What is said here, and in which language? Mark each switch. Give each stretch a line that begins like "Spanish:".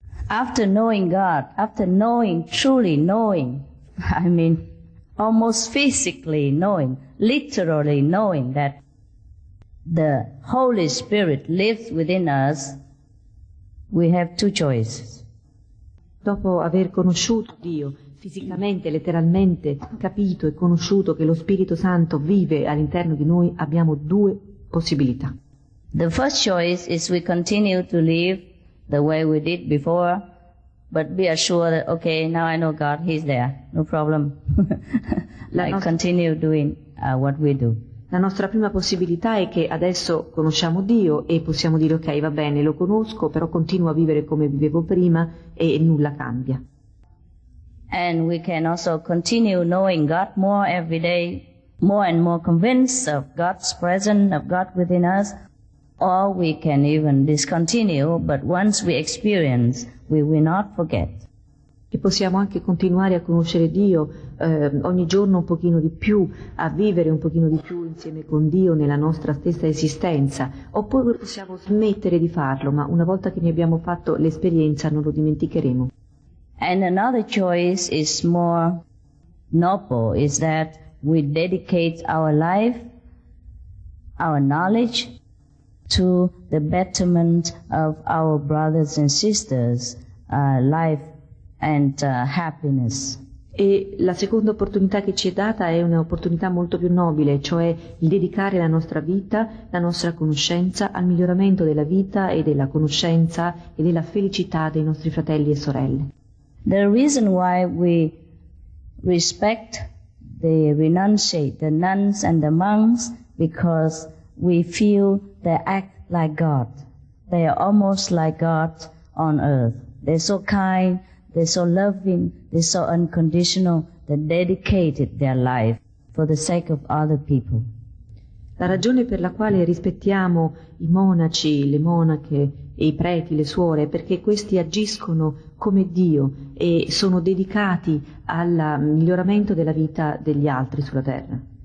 English: After knowing God, after knowing, truly knowing, I mean, almost physically knowing, literally knowing that the Holy Spirit lives within us, We have two choices.
Italian: Dopo aver conosciuto Dio fisicamente, letteralmente, capito e conosciuto che lo Spirito Santo vive all'interno di noi, abbiamo due possibilità.
English: The first choice is we continue to live the way we did before, but be assured that, okay, now I know God, He's there, no problem. continue doing what we do.
Italian: La nostra prima possibilità è che adesso conosciamo Dio e possiamo dire, ok, va bene, lo conosco, però continuo a vivere come vivevo prima e nulla cambia.
English: And we can also continue knowing God more every day, more and more convinced of God's presence, of God within us. Or we can even discontinue, but once we experience, we will not forget.
Italian: E possiamo anche continuare a conoscere Dio ogni giorno un pochino di più, a vivere un pochino di più insieme con Dio nella nostra stessa esistenza. Oppure possiamo smettere di farlo, ma una volta che ne abbiamo fatto l'esperienza non lo dimenticheremo.
English: And another choice is more noble, is that we dedicate our life, our knowledge, to the betterment of our brothers and sisters, life and happiness.
Italian: E la seconda opportunità che ci è data è un'opportunità molto più nobile, cioè il dedicare la nostra vita, la nostra conoscenza al miglioramento della vita e della conoscenza e della felicità dei nostri fratelli e sorelle.
English: The reason why we respect the renunciate, the nuns and the monks, because we feel they act like God. They are almost like God on earth. They're so kind, they're so loving, they're so unconditional, they dedicated their life for the sake of other people.
Italian: La ragione per la quale rispettiamo i monaci, le monache, e i preti, le suore, perché questi agiscono come Dio e sono dedicati al miglioramento della vita degli altri sulla terra.